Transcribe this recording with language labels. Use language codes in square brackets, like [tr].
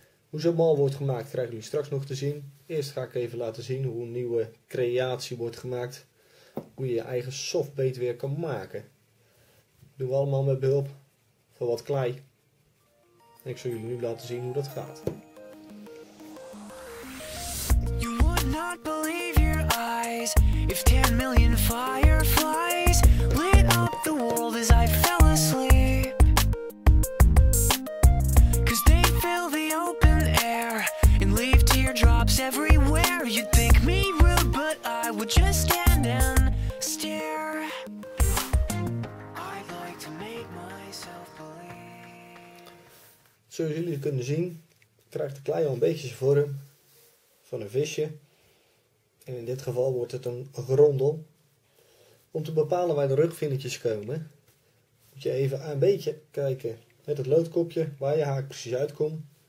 [nl] Hoe zo'n mal wordt gemaakt krijgen jullie straks nog te zien. Eerst ga ik even laten zien hoe een nieuwe creatie wordt gemaakt. Hoe je je eigen softbait weer kan maken. Dat doen we allemaal met behulp van wat klei. En ik zal jullie nu laten zien hoe dat gaat. [en] You would not believe your eyes if 10 million fireflies lit up the world as I fell asleep. 'Cause they fill the open air and leave teardrops everywhere. You'd think me rude, but I would just stand and stare. I'd like to make myself believe. [nl] Zoals jullie kunnen zien, krijgt de klei al een beetje zijn vorm. Van een visje. En in dit geval wordt het een grondel. Om te bepalen waar de rugvinnetjes komen, moet je even een beetje kijken met het loodkopje waar je haak precies uitkomt.